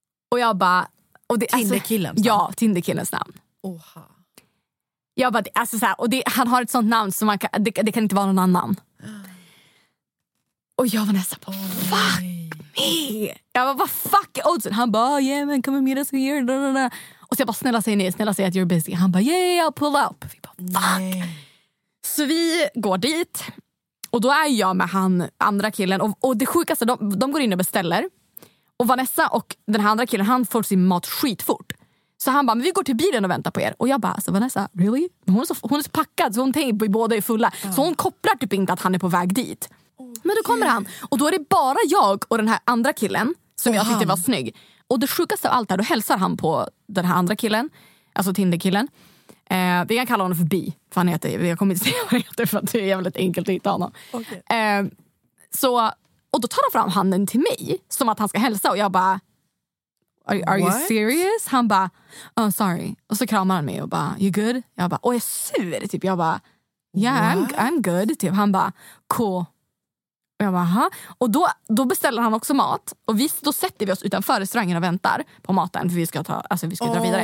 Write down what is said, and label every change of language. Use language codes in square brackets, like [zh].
[sv] Och jag bara... Och det, Tinder-killens namn? Ja, Tinder-killens namn. Oha. Jag bara, alltså så här, och det, han har ett sånt namn som man kan... Det kan inte vara någon annan. Och jag var nästan på, [en] oh, fuck me! [sv] Jag bara, vad fuck är oddsen? Han bara, [en] oh, yeah man, come and meet us here. [sv] Och så jag bara, snälla säg nej, snälla säg att [en] you're busy. [sv] Han bara, [en] yeah, I'll pull up. [sv] Vi bara, fuck! Nej. Så vi går dit... Och då är jag med han, andra killen. Och det sjukaste, de går in och beställer. Och Vanessa och den här andra killen, han får sin mat skitfort. Så han bara, men vi går till bilen och väntar på er. Och jag bara, så Vanessa, really? Hon är så packad, så hon tänker på båda är fulla. Mm. Så hon kopplar typ inte att han är på väg dit. Men då kommer han. Och då är det bara jag och den här andra killen, som jag tyckte var snygg. Och det sjukaste av allt är, då hälsar han på den här andra killen. Alltså Tinder-killen. Vi kan kalla honom för Bi. Fan heter, jag kommer inte säga vad han heter för att det är jävligt enkelt att hitta honom. Okay. Så, och då tar han fram handen till mig som att han ska hälsa. Och jag bara, [en] are you serious? [sv] Han bara, [en] oh sorry. [sv] Och så kramar han mig och bara, [en] you good? [sv] Jag bara, och jag är sur. Typ. Jag bara, [en] yeah, I'm good. [sv] Typ. Han bara, cool. Och jag bara, aha. Och då beställer han också mat. Och vi, då sätter vi oss utanför restaurangen och väntar på maten. För vi ska, vi ska dra vidare.